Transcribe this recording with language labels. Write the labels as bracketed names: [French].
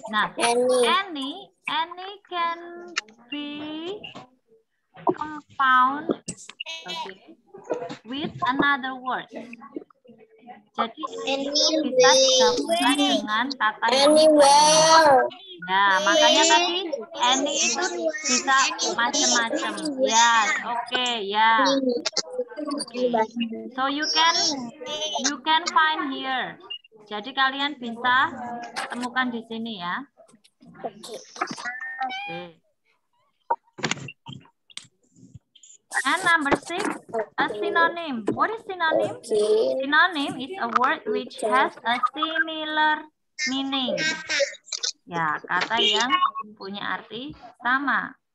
[English] Nah, any can be compound with another word. [Indonesian] Jadi bisa digabungkan dengan kata yang anywhere. Ya, makanya tadi any itu bisa macam-macam. [English] Yes, [Indonesian] oke, ya. [English] So you can find here. [Indonesian] Jadi kalian bisa temukan di sini ya. Oke. [English] And number 6, a synonym. What is synonym? Okay. Synonym is a word which has a similar meaning. [Indonesian] Ya, kata yang punya arti sama.